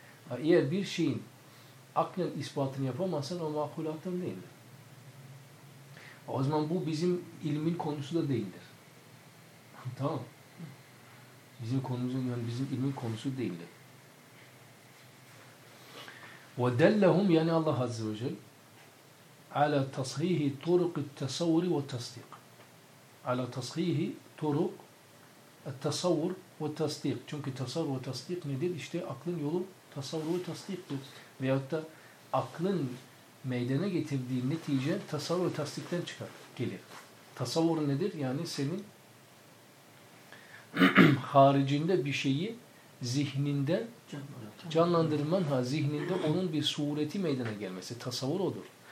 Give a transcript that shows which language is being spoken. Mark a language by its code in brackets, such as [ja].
[tr] Yani eğer bir şeyin aklen ispatını yapamazsan o makulattan değildir. O zaman bu bizim ilmin konusu da değildir. Tamam. Bizim konumuz yani bizim ilmin konusu değildir. [ar] وَدَلَّهُمْ [tr] yani Allah Azze ve Celle [ar] عَلَى تَصْحِيهِ طُرُقِ التَّصَوْرِ وَالتَّصْدِيقِ عَلَى تَصْحِيهِ طُرُقِ [tr] tasavvur ve tasdik. Çünkü tasavvur ve tasdik nedir? İşte aklın yolu tasavvur ve tasdiktir. Veyahut da aklın meydana getirdiği netice tasavvur ve tasdikten çıkar, gelir. Tasavvur nedir? Yani senin haricinde bir şeyi zihninde canlandırman, ha zihninde onun bir sureti meydana gelmesi. Tasavvur odur.